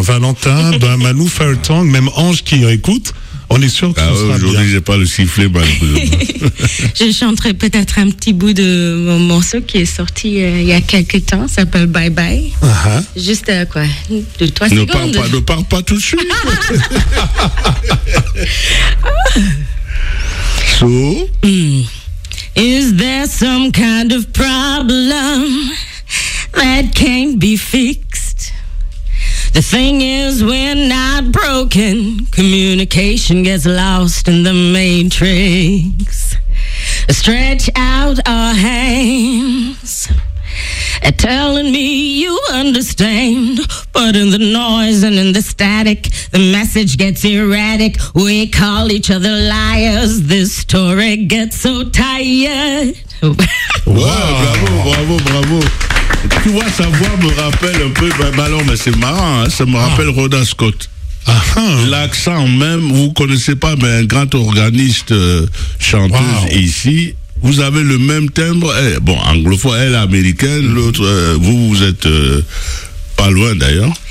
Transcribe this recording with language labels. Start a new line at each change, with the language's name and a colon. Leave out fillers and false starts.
French: Valentin, ben Manu, Fire Tong, même Ange qui écoute, on est sûr que ce sera aujourd'hui bien. Aujourd'hui, j'ai pas le sifflet, Manu. Je chanterai peut-être un petit bout de mon morceau qui est sorti il y a quelques temps, ça s'appelle Bye Bye. Juste quoi, 2-3 secondes. Ne pars pas tout de suite.
English: Is there some kind of problem that can't be fixed? The thing is, we're not broken. Communication gets lost in the matrix. Stretch out our hands, telling me you understand. But in the noise and in the static, the message gets erratic. We call each other liars. This story gets so tired.
French: Wow, bravo. Tu vois, sa voix me rappelle un peu. Ben alors, mais c'est marrant, hein, ça me rappelle Rhoda Scott. L'accent même, vous ne connaissez pas, mais un grand organiste, chanteuse ici, vous avez le même timbre. Elle, bon, anglophone, elle est américaine, l'autre, vous êtes pas loin d'ailleurs.